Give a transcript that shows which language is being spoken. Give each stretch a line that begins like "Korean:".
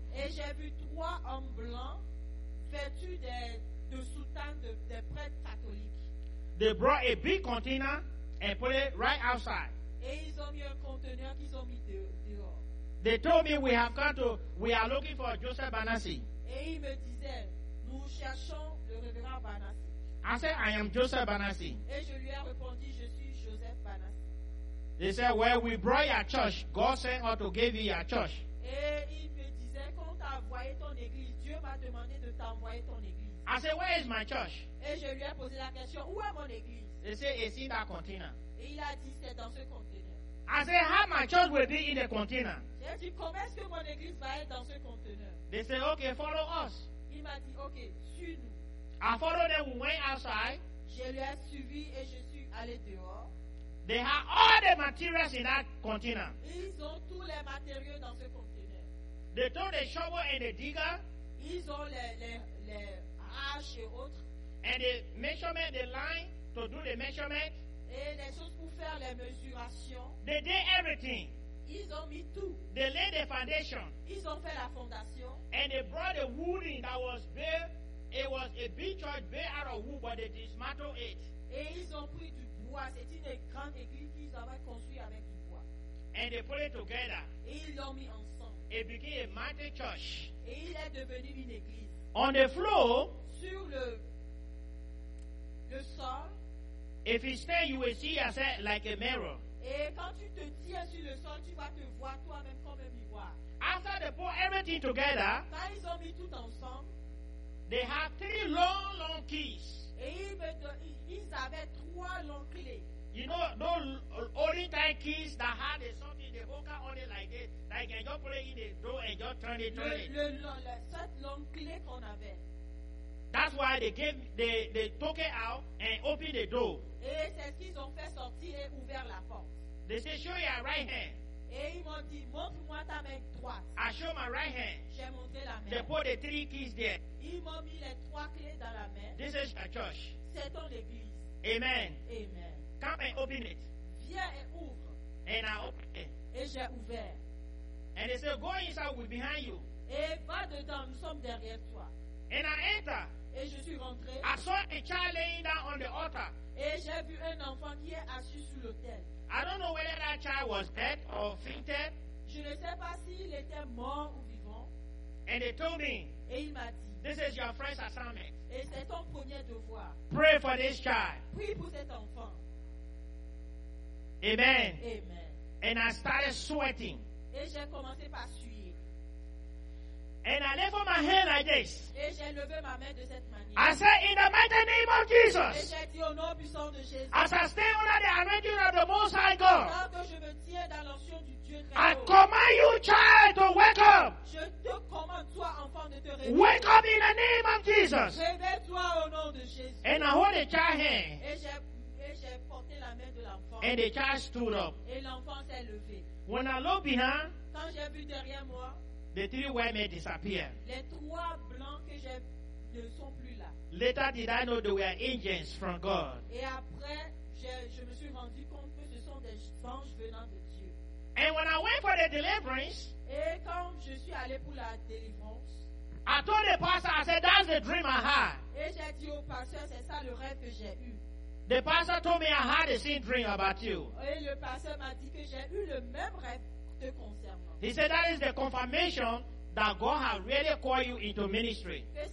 French: Et j'ai vu 3 hommes blancs vêtus de soutane de prêtres catholiques.
English: They brought a big container and put it right outside.
French: Et ils ont mis un conteneur qu'ils ont mis dehors.
English: They told me we are looking for Joseph Banassi.
French: Et ils me disaient, nous cherchons le révérend Banassi.
English: I said, I am Joseph Banassi.
French: Et je lui ai répondu, je suis Joseph Banassi.
English: They said, well, we brought your church. God sent us to give you your church.
French: Et il me disait, quand t'as envoyé ton église, Dieu m'a demandé de t'envoyer ton église.
English: I said, where is my church?
French: Et je lui ai posé la question, où est mon église?
English: They said, it's in that container.
French: Et il a dit, c'est dans ce container.
English: I said, how my church will be in the container?
French: J'ai dit, comment est-ce que mon église va être dans ce container?
English: They said, okay, follow us.
French: Il m'a dit, okay, suis-nous.
English: I followed them, we went outside.
French: Je lui ai suivi et je suis allé dehors.
English: They had all the materials in that container.
French: Ils ont tous les matériaux dans ce container.
English: They took the shovel and the digger.
French: Ils ont les haches et autres.
English: And the measurement, the line to do the measurement.
French: les choses pour faire les mesurations.
English: They did everything.
French: Ils ont mis tout.
English: They laid the foundation.
French: Ils ont fait la fondation.
English: And they brought a wooden that was built. It was a big church built out of wood, but they dismantled it.
French: Et ils ont pris du bois. C'est une grande église qu'ils avaient construite avec du bois.
English: And they put it together.
French: Et ils l'ont mis ensemble.
English: It became a mighty church.
French: Et il est devenu une église.
English: On the floor.
French: Sur le sol.
English: If you stand, you will see yourself like a mirror.
French: Et quand tu te tiens sur le sol, tu vas te voir toi-même comme un miroir.
English: After they put everything together,
French: quand ils ont mis tout ensemble,
English: they have three long, long keys.
French: Et ils avaient trois longs clés.
English: You know, those Orientine keys that had something, the hooker on it like this, like you just put it in the door and just turn it.
French: Cette longue clé qu'on avait.
English: That's why they took it out and opened the door.
French: Et c'est ce qu'ils ont fait sortir et ouvert la porte.
English: They said, show your right hand.
French: Et ils m'ont dit, montre-moi ta main droite.
English: I show my right hand.
French: J'ai montré la main.
English: They put the three keys there.
French: Ils m'ont mis les trois clés dans la main.
English: This is a church.
French: C'est ton église. Amen. Amen.
English: Come and open it.
French: Viens et ouvre.
English: And I open it.
French: Et j'ai ouvert.
English: And they said, go inside, we're behind you.
French: Et va dedans, nous sommes derrière toi.
English: And I enter.
French: Et je suis rentré.
English: I saw a child laying down on the altar.
French: Et j'ai vu un enfant qui est assis sur l'autel.
English: I don't know whether that child was dead or fainted.
French: Je ne sais pas s'il était mort ou vivant.
English: And they told me.
French: Et il m'a dit.
English: This is your first assignment.
French: Et c'est ton premier devoir.
English: Pray for this child.
French: Prie pour cet enfant. Amen. Amen.
English: And I started sweating.
French: Et j'ai commencé par suer.
English: And I lift up my hand like this.
French: Et j'ai levé ma main de cette manière.
English: I say, in the mighty name of Jesus.
French: Et j'ai dit au nom puissant de Jésus.
English: As I stand under the anointing of the Most High God.
French: Alors que je me tiens dans l'onction du Dieu très haut.
English: I command you, child, to wake up.
French: Je te commande, toi, enfant, de te réveiller.
English: Wake up in the name of Jesus.
French: Réveille-toi au nom de Jésus.
English: And I hold the child hand.
French: Et j'ai porté la main de l'enfant.
English: And the child stood up.
French: Et l'enfant s'est levé.
English: When I looked behind.
French: Quand j'ai vu derrière moi.
English: The three white men disappear.
French: Les trois blancs que j'ai ne sont plus là.
English: Later did I know they were angels from God.
French: Et après, je me suis rendu compte que ce sont des anges venant de Dieu.
English: And when I went for the deliverance,
French: et quand je suis allé pour la délivrance,
English: I told the pastor, I said, that's the dream I had.
French: Et j'ai dit au pasteur, c'est ça le rêve que j'ai eu.
English: The pastor told me I had the same dream about you.
French: Et le pasteur m'a dit que j'ai eu le même rêve.
English: He said that is the confirmation that God has really called you into ministry.